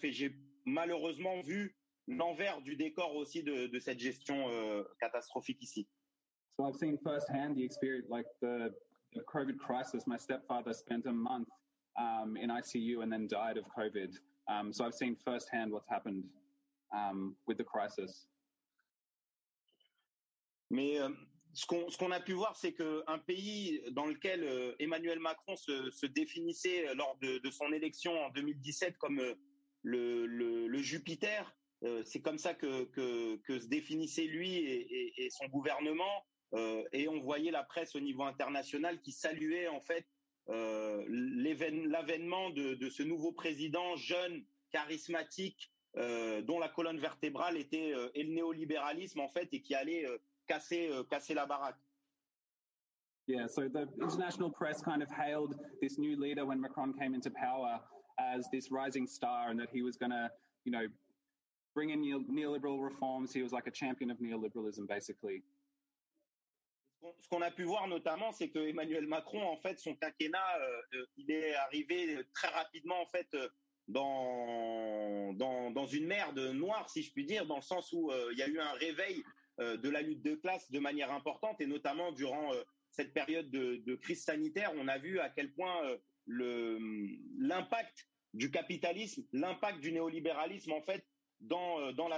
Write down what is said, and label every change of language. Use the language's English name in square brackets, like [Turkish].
[French] Et j'ai malheureusement vu l'envers du décor aussi de cette gestion catastrophique ici. [English] So I've seen firsthand the experience, like the COVID crisis. My stepfather spent a month in ICU and then died of COVID. So I've seen firsthand what's happened with the crisis. [French] Mais ce qu'on a pu voir, c'est qu'un pays dans lequel Emmanuel Macron se définissait lors de son élection en 2017 comme le Jupiter. C'est comme ça que se définissait lui et son gouvernement, et on voyait la presse au niveau international qui saluait en fait l'avènement de ce nouveau président jeune, charismatique, dont la colonne vertébrale était le néolibéralisme en fait et qui allait casser la baraque. [English] Yeah, so the international press kind of hailed this new leader when Macron came into power as this rising star, and that he was going to, you know, bring in neoliberal reforms. He was like a champion of neoliberalism, basically. [French] Ce qu'on a pu voir notamment, c'est que Emmanuel Macron, en fait, son quinquennat, il est arrivé très rapidement, en fait, dans une merde noire, si je puis dire, dans le sens où il y a eu un réveil de la lutte de classe de manière importante, et notamment durant cette période de crise sanitaire, on a vu à quel point l'impact du capitalisme, l'impact du néolibéralisme, en fait, dans la